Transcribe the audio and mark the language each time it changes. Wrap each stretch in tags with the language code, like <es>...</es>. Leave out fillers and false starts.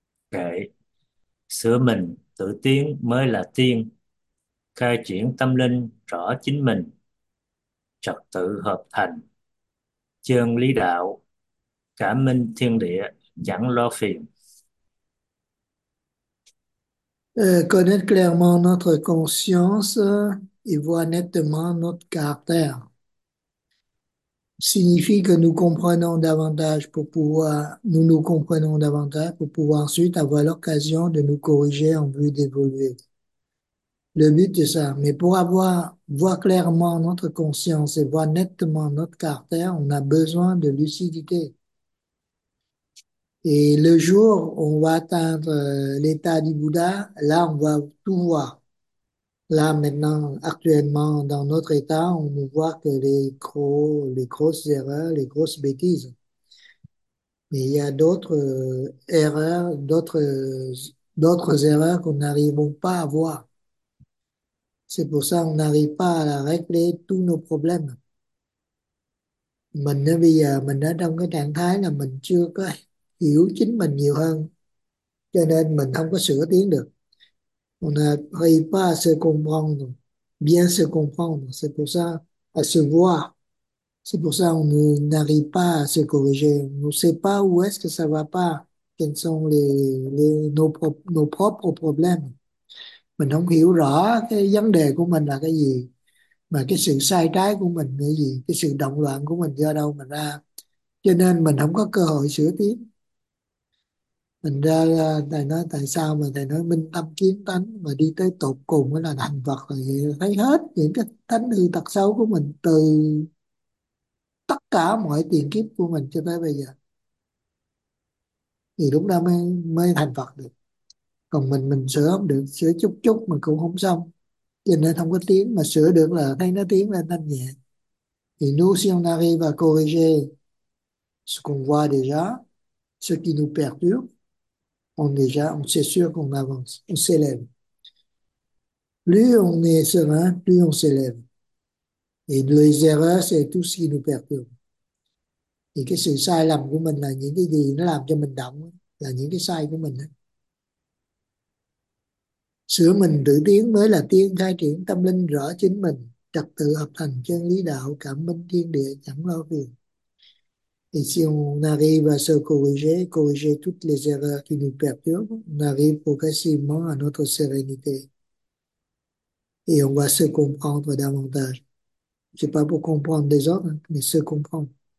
<vi>Kệ: sửa mình tự tiến mới là tiên. Khai triển tâm linh rõ chính mình, trật tự hợp thành chân lý đạo, cảm minh thiên địa chẳng lo phiền.</vi> <fr>Connaître clairement notre conscience et voir nettement notre caractère signifie que nous comprenons davantage pour pouvoir, nous nous comprenons davantage pour pouvoir ensuite avoir l'occasion de nous corriger en vue d'évoluer. Le but de ça, mais pour avoir, voir clairement notre conscience et voir nettement notre caractère, on a besoin de lucidité. Et le jour où on va atteindre l'état du Bouddha, là on va tout voir. Là maintenant, actuellement, dans notre état, on ne voit que les grosses erreurs, les grosses bêtises. Mais il y a d'autres erreurs qu'on n'arrive pas à voir. C'est pour ça qu'on n'arrive pas à régler tous nos problèmes.</fr> <vi>Mình bây giờ mình ở trong cái trạng thái là mình chưa có hiểu chính mình nhiều hơn, cho nên mình không có sửa tiến được.</vi> <fr>On n'arrive pas à se comprendre, bien se comprendre, c'est pour ça, à se voir. C'est pour ça qu'on n'arrive pas à se corriger. On ne sait pas où est-ce que ça va pas, quels sont nos propres problèmes.</fr> <vi>Mình không hiểu rõ cái vấn đề của mình là cái gì, mà cái sự sai trái của mình là gì, cái sự động loạn của mình do đâu mà ra. Cho nên mình không có cơ hội sửa tiến. Mình ra thầy nói tại sao mà thầy nói minh tâm kiến tánh mà đi tới tột cùng là thành Phật, thấy hết những cái tánh hư tật xấu của mình từ tất cả mọi tiền kiếp của mình cho tới bây giờ, thì lúc đó mới thành Phật được. Còn mình sửa không được, sửa chút chút mà cũng không xong, cho nên không có tiếng, mà sửa được là thấy nó tiếng lên thanh nhẹ.</vi> <fr>Thì nous si on arrive à corriger ce qu'on voit déjà, ce qui nous perturbe, on déjà, on c'est sûr qu'on avance, on s'élève. Plus on est serein, plus on s'élève. Et les erreurs, c'est tout ce qui nous perturbe.</fr> <vi>Et cái sự sai lầm của mình là những cái gì nó làm cho mình động, là những cái sai của mình. Sửa mình tự tiến mới là tiến khai triển tâm linh, rõ chính mình, trật tự hợp thành chân lý đạo, cảm minh thiên địa, chẳng lo phiền.</vi> <fr>Et si on arrive à se corriger, corriger toutes les erreurs qui nous perturbent, on arrive progressivement à notre sérénité. Et on va se comprendre davantage. C'est pas pour comprendre des autres, mais se comprendre.</fr>